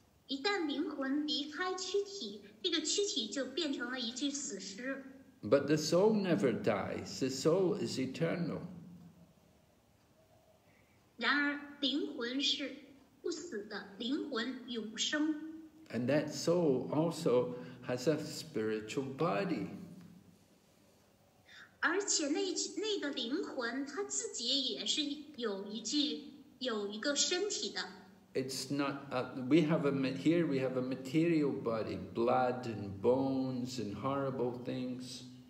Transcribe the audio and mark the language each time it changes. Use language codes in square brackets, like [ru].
[en] But the soul never dies, the soul is eternal. And that soul also has a spiritual body. [zh] 而且那个灵魂，它自己也是有一具身体的。 [en] It's not a, we have a here we have a material body, blood and bones and horrible things.